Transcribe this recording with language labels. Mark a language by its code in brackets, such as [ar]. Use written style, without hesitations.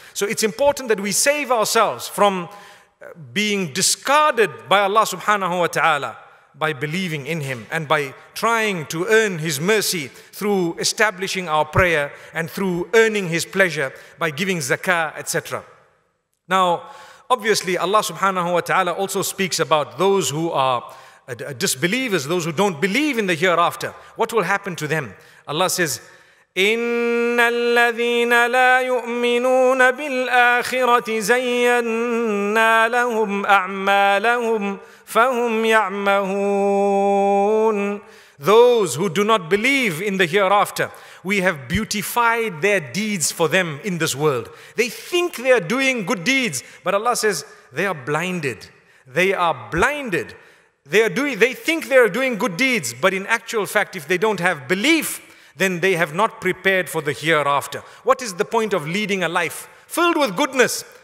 [en] So it's important that we save ourselves from being discarded by Allah subhanahu wa ta'ala by believing in Him and by trying to earn His mercy through establishing our prayer and through earning His pleasure by giving zakah, etc. Now, obviously, Allah subhanahu wa ta'ala also speaks about those who are disbelievers, those who don't believe in the hereafter. What will happen to them? Allah says, [ar] إِنَّ الَّذِينَ لَا يُؤْمِنُونَ بِالْآخِرَةِ زَيَّنَّا لَهُمْ أَعْمَالَهُمْ فَهُمْ يَعْمَهُونَ. [en] Those who do not believe in the hereafter, we have beautified their deeds for them in this world. They think they are doing good deeds, but Allah says they are blinded. They are blinded. They think they are doing good deeds, but in actual fact, if they don't have belief, then they have not prepared for the hereafter. What is the point of leading a life filled with goodness